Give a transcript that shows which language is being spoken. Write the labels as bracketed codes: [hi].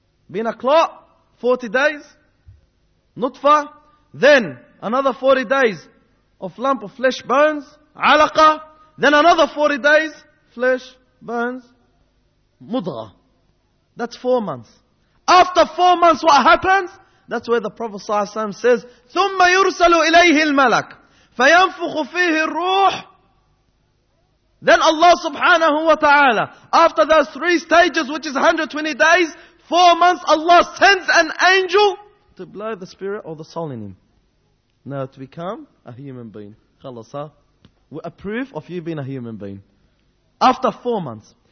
[en] Being a clot, 40 days, nutfa, then another 40 days of lump of flesh bones, alaqa, then another 40 days, flesh bones, mudra. That's 4 months. After 4 months, what happens? That's where the Prophet [ar] صلى الله عليه وسلم [en] says, [ar] ثُمَّ يُرْسَلُ إِلَيْهِ الْمَلَكُ فَيَنْفُخُ فِيهِ الرُّوحِ. [en] Then Allah subhanahu wa ta'ala, after those three stages, which is 120 days, 4 months, Allah sends an angel to blow the spirit or the soul in him. Now to become a human being. [ar] خَلَصَ. [en] A proof of you being a human being. After 4 months.